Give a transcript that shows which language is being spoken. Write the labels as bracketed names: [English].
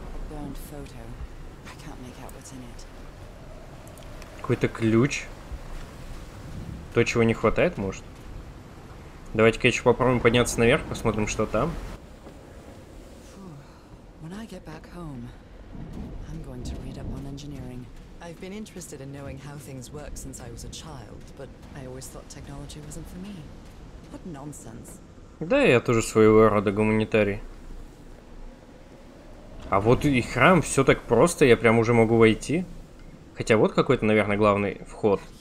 [English] burned photo. I can't make out what's in it. [Russian] Какой-то ключ. То, чего не хватает, может? Давайте-ка еще попробуем подняться наверх, посмотрим, что там. [English] When I get back home, I'm going to read up on engineering. I've been interested in knowing how things work since I was a child, but I always thought technology wasn't for me. What nonsense. [Russian] Да, я тоже своего рода гуманитарий. А вот и храм, все так просто, я прям уже могу войти. Хотя вот какой-то, наверное, главный вход.